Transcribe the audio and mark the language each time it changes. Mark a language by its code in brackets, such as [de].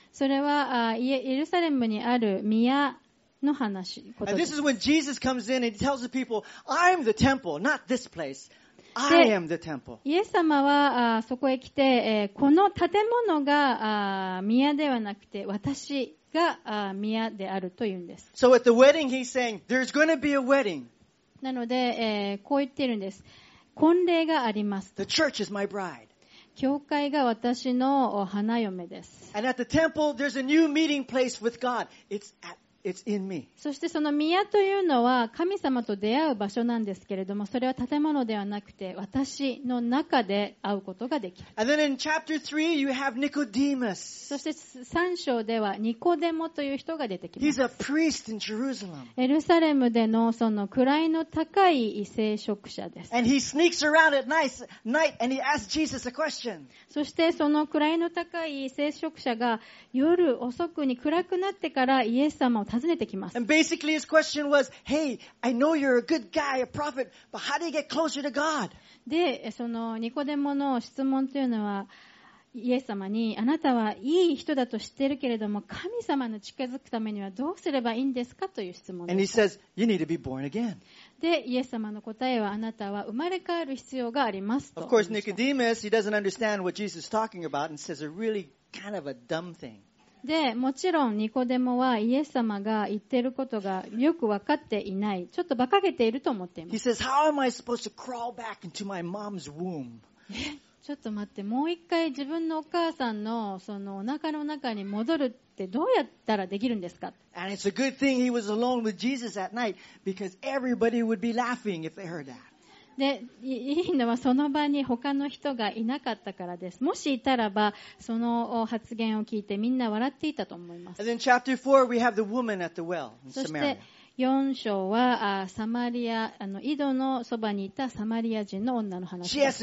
[ja] それはイエルサレムにある宮の話ことです。 [en] And this is when Jesus comes in and he tells the people, "I'm the temple, not this place." I am the temple. [ja] イエス様はそこへ来て、この建物が宮ではなくて私が宮であると言うんです。 [en] So at the wedding, he's saying, there's going to be a wedding. [ja] なので、こう言っているんです。婚礼があります。 [en] The church is my bride. [ja] 教会が私の花嫁です。 [en] And at the temple, there's a new meeting place with God. It's in me. [ja] そしてその宮というのは神様と出会う場所なんですけれども、それは建物ではなくて私の中で会うことができる。 [en] And then in chapter 3, you have Nicodemus. [ja] そして3章ではニコデモという人が出てきます。 [en] He's a priest in Jerusalem. [ja] エルサレムでのその位の高い聖職者です。 [en] And he sneaks around at night and he asks Jesus a question. [ja] そしてその位の高い聖職者が夜遅くに暗くなってからイエス様を尋ねてきます。 [en] And basically his question was, "Hey, I know you're a good guy, a prophet, but how do you get closer to God?" [ja] で、そのニコデモの質問というのは、イエス様にあなたはいい人だと知っているけれども神様の近づくためにはどうすればいいんですかという質問です。 [en] And he says, you need to be born again. [ja] でイエス様の答えはあなたは生まれ変わる必要がありますと。 [en] Of course, Nicodemus, he doesn't understand what Jesus is talking about and says a really kind of a dumb thing. [ja] でもちろんニコデモはイエス様が言っていることがよく分かっていないちょっと馬鹿げていると思っています。 [en] He says, How am I supposed to crawl back into my mom's womb? [ja] ちょっと待ってもう一回自分のお母さん そのお腹の中に戻るってどうやったらできるんですか。 [en] And it's a good thing he was alone with Jesus at night because everybody would be laughing if they heard that. [ja] でいいのはその場に他の人がいなかったからです。もしいたらばその発言を聞いてみんな笑っていたと思います。 [en] And then chapter 4, we have the woman at the well in Samaria. [ja] そして4章はサマリア井戸のそばにいたサマリア人の女の話です。